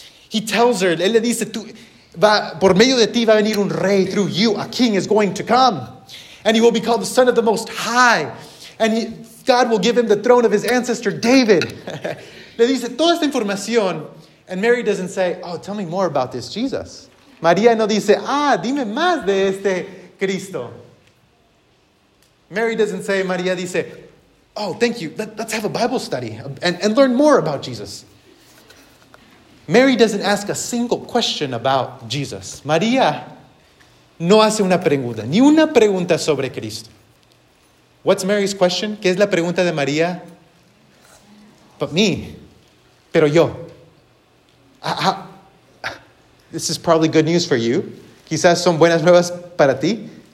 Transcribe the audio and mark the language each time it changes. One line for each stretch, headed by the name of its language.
English: He tells her,
Spanish: él le dice, por medio de ti va a venir un rey,
English: through you, a king is going to come. And he will be called the Son of the Most High. And God will give him the throne of his ancestor, David.
Spanish: Le dice toda esta información.
English: And Mary doesn't say, oh, tell me more about this Jesus.
Spanish: María no dice, ah, dime más de este Cristo.
English: Mary doesn't say,
Spanish: María dice,
English: oh, thank you. Let's have a Bible study and learn more about Jesus. Mary doesn't ask a single question about Jesus.
Spanish: María no hace una pregunta, ni una pregunta sobre Cristo.
English: What's Mary's question?
Spanish: ¿Qué es la pregunta de María?
English: But me.
Spanish: Pero yo.
English: This is probably good news for you.
Spanish: Quizás son buenas nuevas para ti.